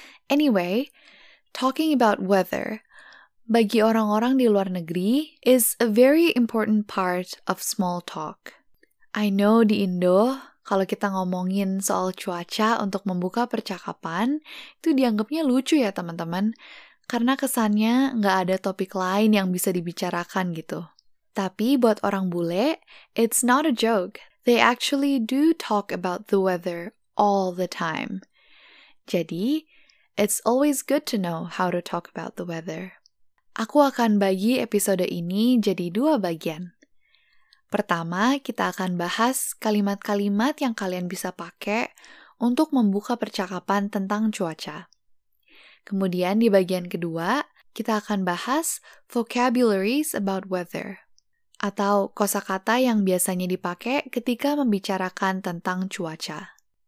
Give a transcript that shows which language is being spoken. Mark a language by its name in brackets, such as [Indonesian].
[English] Anyway, talking about weather, [Indonesian] bagi orang-orang di luar negeri, [English] is a very important part of small talk. I know [Indonesian] di Indo, kalau kita ngomongin soal cuaca untuk membuka percakapan, itu dianggapnya lucu ya teman-teman, karena kesannya nggak ada topik lain yang bisa dibicarakan gitu. Tapi buat orang bule, [English] it's not a joke. They actually do talk about the weather all the time. Jadi, it's always good to know how to talk about the weather. [Indonesian] Aku akan bagi episode ini jadi 2 bagian. Pertama, kita akan bahas kalimat-kalimat yang kalian bisa pakai untuk membuka percakapan tentang cuaca. Kemudian di bagian kedua, kita akan bahas [English] vocabularies about weather, [Indonesian] atau kosakata yang biasanya dipakai ketika membicarakan tentang cuaca.